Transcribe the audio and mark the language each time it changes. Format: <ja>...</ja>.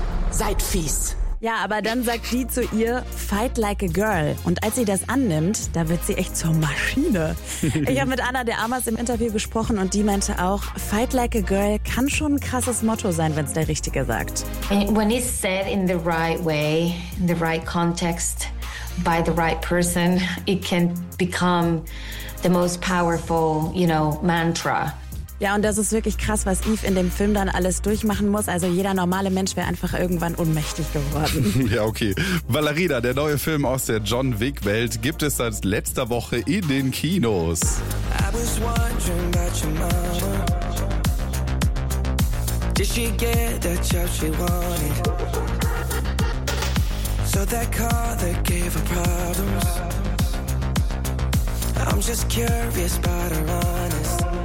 <de>Seid fies. Ja, aber dann sagt die zu ihr,</de> <en>fight like a girl.</en> <de>Und als sie das annimmt, da wird sie echt zur Maschine. Ich habe mit Ana de Armas im Interview gesprochen und die meinte auch,</de> <en>fight like a girl</en> <de>kann schon ein krasses Motto sein, wenn es der Richtige sagt.</de> <en>When it's said in the right way, in the right context, by the right person, it can become the most powerful, you know, mantra.</en> <de>Ja, und das ist wirklich krass, was Eve in dem Film dann alles durchmachen muss. Also jeder normale Mensch wäre einfach irgendwann ohnmächtig geworden. Ja, okay. Ballerina, der neue Film aus der John Wick-Welt, gibt es seit letzter Woche in den Kinos.</de> <en>I was wondering about your mama. Did she get that job she wanted? So that car that gave her problems. I'm just curious about her honest.</en>